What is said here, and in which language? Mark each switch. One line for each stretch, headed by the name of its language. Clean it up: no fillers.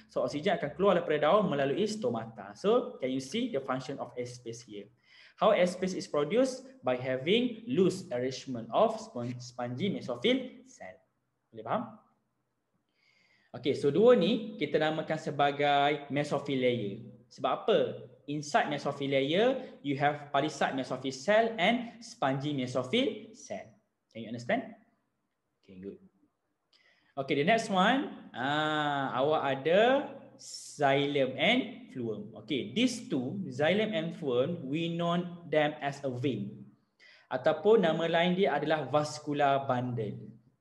Malay: So oksigen akan keluar daripada daun melalui stomata.
English: So can you see the function of airspace here? How airspace is produced? By having loose arrangement of spongy mesophyll cell.
Malay: Boleh faham? Okay, so dua ni kita namakan sebagai mesophyll layer. Sebab apa?
English: Inside mesophyll layer, you have palisade mesophyll cell and spongy mesophyll cell. Can you understand? Okay, good. Okay, the next one.
Malay: Awak ada xylem and phloem.
English: Okay, these two, xylem and phloem, we know them as a vein.
Malay: Ataupun nama lain dia adalah vascular bundle.